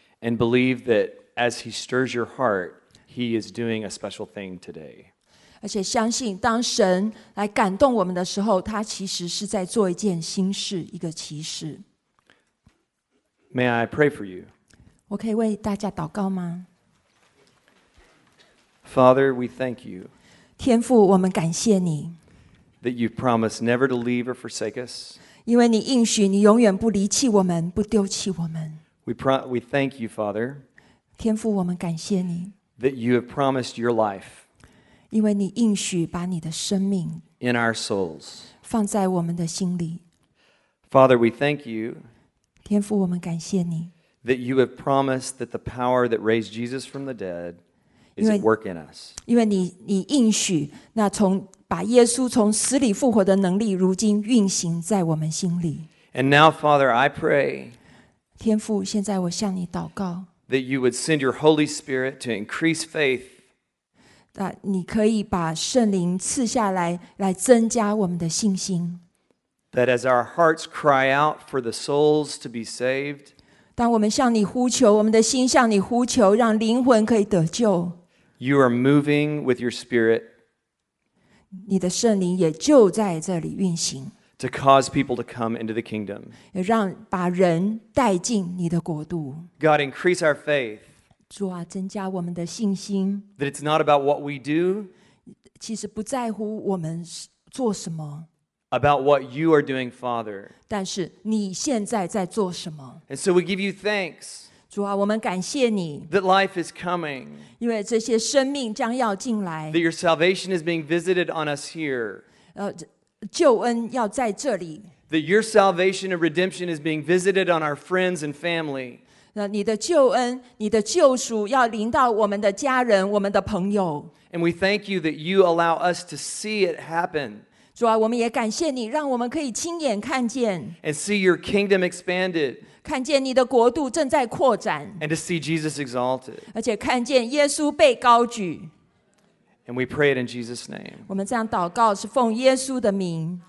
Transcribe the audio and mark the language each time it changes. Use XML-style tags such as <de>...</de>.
<en>And believe that as He stirs your heart, He is doing a special thing today.</en> <zh>而且相信当神来感动我们的时候，他其实是在做一件新事，一个奇事。</zh> <en>May I pray for you?</en> <zh>我可以为大家祷告吗？</zh> <en>Father, we thank you.</en> <zh>天父，我们感谢你。</zh> <en>That you promise never to leave or forsake us.</en> <zh>因为你应许，你永远不离弃我们，不丢弃我们。</zh> <en>We thank you, Father.</en> <zh>天父，我们感谢你。</zh> <en>That you have promised your life.</en> <zh>因为你应许把你的生命</zh> <en>in our souls.</en> <zh>放在我们的心里。</zh> <en>Father, we thank you.</en> <zh>天父，我们感谢你。</zh> <en>That you have promised that the power that raised Jesus from the dead. Is it work in us?</en> <zh>因为你应许，那从把耶稣从死里复活的能力，如今运行在我们心里。</zh> <en>And now, Father, I pray.</en> <zh>天父，现在我向你祷告。</zh> <en>That you would send your Holy Spirit to increase faith.</en> <zh>那你可以把圣灵赐下来，来增加我们的信心。</zh> <en>That as our hearts cry out for the souls to be saved.</en> <zh>当我们向你呼求，我们的心向你呼求，让灵魂可以得救。</zh> <en>You are moving with your spirit.</en> <zh>你的圣灵也就在这里运行。</zh> <en>To cause people to come into the kingdom.</en> <zh>也让把人带进你的国度。</zh> <en>God, increase our faith.</en> <zh>主啊，增加我们的信心。</zh> <en>That it's not about what we do.</en> <zh>其实不在乎我们做什么。</zh> <en>About what you are doing, Father.</en> <zh>但是你现在在做什么？</zh> <en>And so we give you thanks.</en> <zh>主啊，我们感谢你。</zh> <en>That life is coming.</en> <zh>因为这些生命将要进来。</zh> <en>That your salvation is being visited on us here.</en> <zh>救恩要在这里。</zh> <en>That your salvation and redemption is being visited on our friends and family.</en> <zh>你的救恩，你的救赎要临到我们的家人，我们的朋友。</zh> <en>And we thank you that you allow us to see it happen.</en> <zh>主啊，我们也感谢你，让我们可以亲眼看见</zh> <en>，and see your kingdom expanded，</en> <zh>看见你的国度正在扩展</zh> <en>，and to see Jesus exalted，</en> <zh>而且看见耶稣被高举。</zh> <en>And we pray it in Jesus' name。</en> <zh>我们这样祷告是奉耶稣的名。</zh>